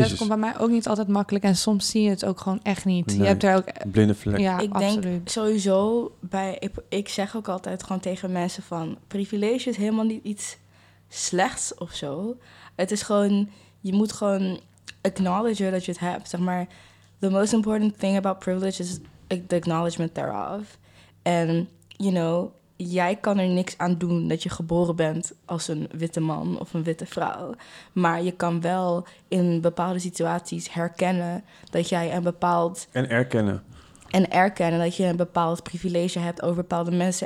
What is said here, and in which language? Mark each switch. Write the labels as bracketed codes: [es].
[nl] Maar dat komt bij mij ook niet altijd makkelijk. En soms zie je het ook gewoon echt niet. Nee, je hebt er ook... Blinde vlek. Ja, ik denk sowieso... Ik zeg ook altijd gewoon tegen mensen van... Privileges helemaal niet iets slechts of zo. Het is gewoon... Je moet gewoon acknowledgen dat je het hebt, zeg maar. [en] The most important thing about privilege is the acknowledgement thereof. [nl] En, [en] you know, [nl] jij kan er niks aan doen dat je geboren bent als een witte man of een witte vrouw. Maar je kan wel in bepaalde situaties herkennen dat jij een bepaald... En erkennen dat je een bepaald privilege hebt over bepaalde mensen.